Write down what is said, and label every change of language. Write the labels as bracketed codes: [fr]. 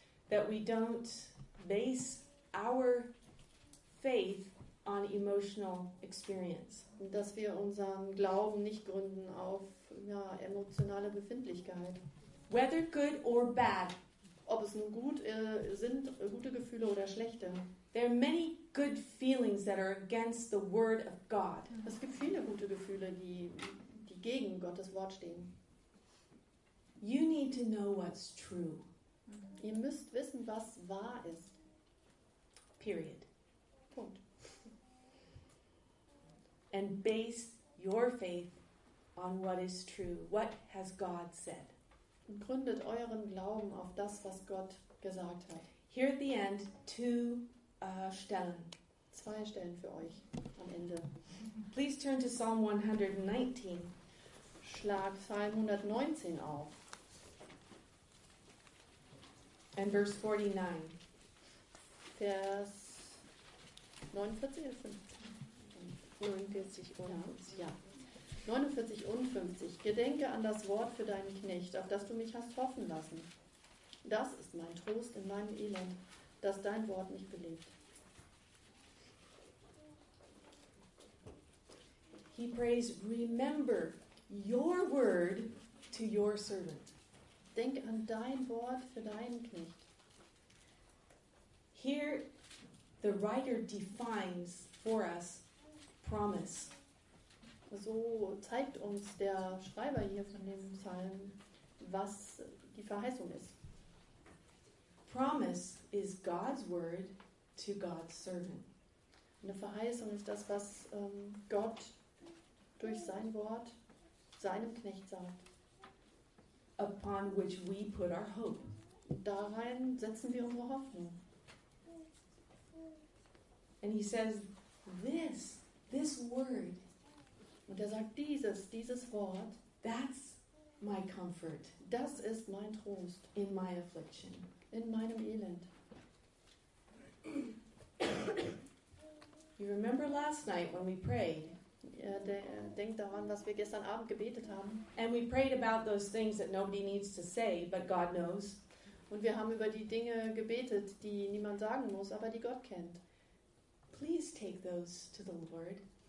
[en] That we don't base our faith on emotional experience. [de] Und dass wir unseren Glauben nicht gründen auf ja, emotionale Befindlichkeit. [en] Whether good or bad. [de] ob es nun gut sind, gute Gefühle oder schlechte. [en] There are many good feelings that are against the word of God. [de] Es gibt viele gute Gefühle, die gegen Gottes Wort stehen. [en] You need to know what's true. [de] Ihr müsst wissen, was wahr ist. [en] Period. [de] Punkt. [en] And base your faith on what is true. What has God said? [de] Und gründet euren Glauben auf das, was Gott gesagt hat. [en] Here at the end, two Stellen. [de] Zwei Stellen für euch am Ende. [en] Please turn to Psalm 119. [de] Schlag Psalm 119 auf. [en] And verse 49. [de] Vers 49 oder 50? 49 und 50. Ja. 49 und 50. Gedenke an das Wort für deinen Knecht, auf das du mich hast hoffen lassen. Das ist mein Trost in meinem Elend, dass dein Wort mich belebt. [en] He prays, remember your word to your servant. [de] Denk an dein Wort für deinen Knecht. [en] Here the writer defines for us promise. [de] So zeigt uns der Schreiber hier von dem Psalm, was die Verheißung ist. [en] Promise is God's word to God's servant. [de] Eine Verheißung ist das, was Gott durch sein Wort seinem Knecht sagt. [en] Upon which we put our hope. [de] Darin setzen wir unsere Hoffnung. [en] And he says, this word. [de] Und er sagt, dieses Wort, [en] that's my comfort. [de] Das ist mein Trost. [en] In my affliction. [de] In meinem Elend. [en] You remember last night when we prayed? [de] Ja, denkt daran, was wir gestern Abend gebetet haben. [en] And we prayed about those things that nobody needs to say, but God knows. [de] Und wir haben über die Dinge gebetet, die niemand sagen muss, aber die Gott kennt. [en] Please take those to the Lord.